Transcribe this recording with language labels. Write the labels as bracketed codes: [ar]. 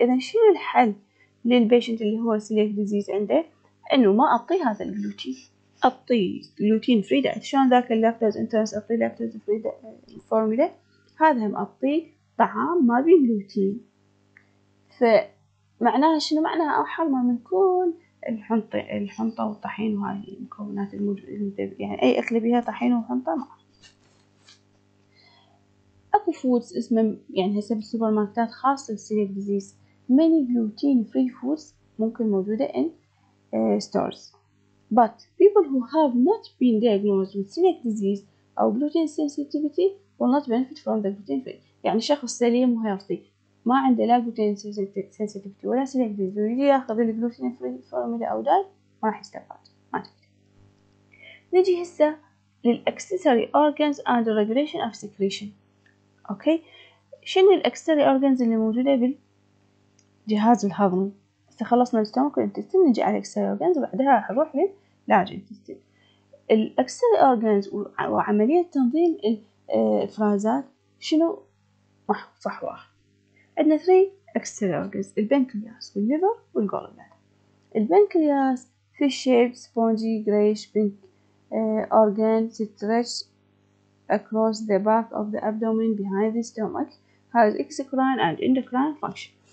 [ar] إذا شنو الحل للبيشنت اللي هو celiac disease عنده؟ إنه ما أعطيه هذا الجلوتين، أعطيه gluten free diet. شلون ذاك اللاكتوز انترنس أعطيه لاكتوز فري فورمولا، هذا هم أعطيه طعام ما بيه جلوتين. فمعناها شنو؟ معناها أو حرمة من كل الحنطة، الحنطة والطحين وهذه المكونات الموجودة، يعني أي أكل بيها طحين وحنطة ما. أكو فودز اسمه يعني هسه بالسوبر ماركتات خاصة بالسيليك ديزيز، [en] many gluten free foods [ar] ممكن موجودة [en] in stores. But people who have not been diagnosed with celiac disease [ar] أو [en] gluten sensitivity will not benefit from the gluten free. [ar] يعني شخص سليم وهيلثي ما عنده لا gluten sensitivity ولا celiac disease ويجي ياخذ gluten free formula أو diet ما راح يستفاد. نجي هسه للأكسسوري [en] organs and regulation of secretion. [ar] اوكي، شنو الاكستري اورجانز اللي موجوده بالجهاز الهضمي؟ بس خلصنا الستومك والانتستين، نجي على الاكستري اورجانز وبعدها راح نروح للارج انتستين. الاكستري اورجانز وعمليه تنظيم الافرازات شنو؟ صح، واحد عندنا 3 اكسترا اورجز، البنكرياس والليفر والجولبلادر. [en] البنكرياس fish shaped spongy greyish pink organ stretches across the back of the abdomen behind the stomach has exocrine and endocrine function.